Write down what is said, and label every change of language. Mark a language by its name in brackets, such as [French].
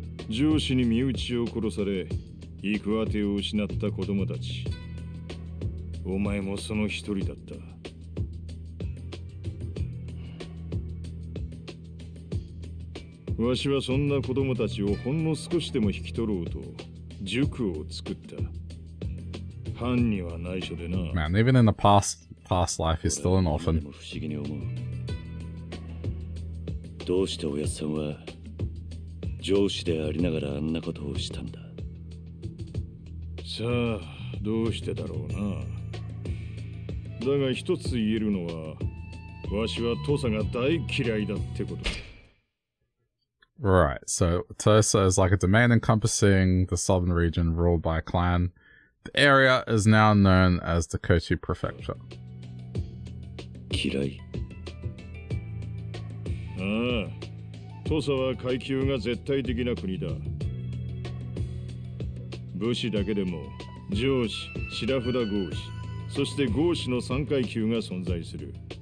[Japanese] 上司に身内を殺され、行く当てを失った子供たち、お前もその一人だった。わしはそんな子供たちをほんの少しでも引き取ろうと塾を作った。犯人は内緒でな。 [English] Man, even in the past life, he's still an orphan. [Japanese] 不思議に思う。どうしておやさんは上司でありながらあんなことをしたんだ。さあ、どうしてだろうな。だが一つ言えるのは、わしは土佐が大嫌いだってこと。 [English] Right, so Tosa is like a domain encompassing the southern region ruled by a clan. The area is now known as the Kochi Prefecture. [Japanese] 嫌い。ああ、土佐は階級が絶対的な国だ。武士だけでも上司、白札合子、そして合子の3階級が存在する。